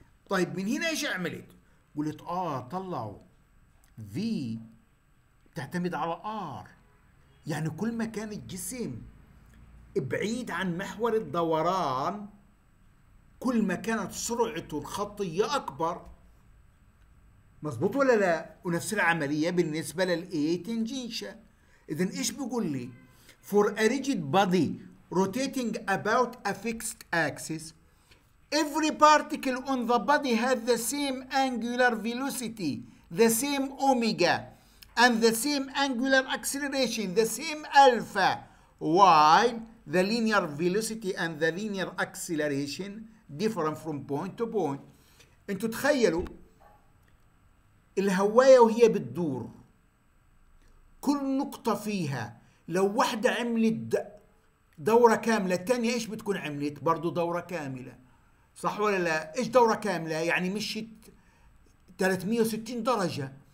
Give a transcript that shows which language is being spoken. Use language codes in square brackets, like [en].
[ar] طيب من هنا ايش عملت؟ قلت طلعوا في تعتمد على ار، يعني كل ما كان الجسم بعيد عن محور الدوران كل ما كانت سرعته الخطيه اكبر. مظبوط ولا لا؟ ونفس العمليه بالنسبه للاي تنجنشال. [en] اذا ايش بيقول لي؟ For a rigid body rotating about a fixed axis every particle on the body has the same angular velocity, the same omega, and the same angular acceleration, the same alpha, while the linear velocity and the linear acceleration different from point to point. [ar] انتوا تخيلوا الهواية وهي بتدور، كل نقطة فيها لو واحدة عملت دورة كاملة التانية ايش بتكون عملت؟ برضو دورة كاملة. صح ولا لا؟ ايش دورة كاملة؟ يعني مشيت 360 درجة.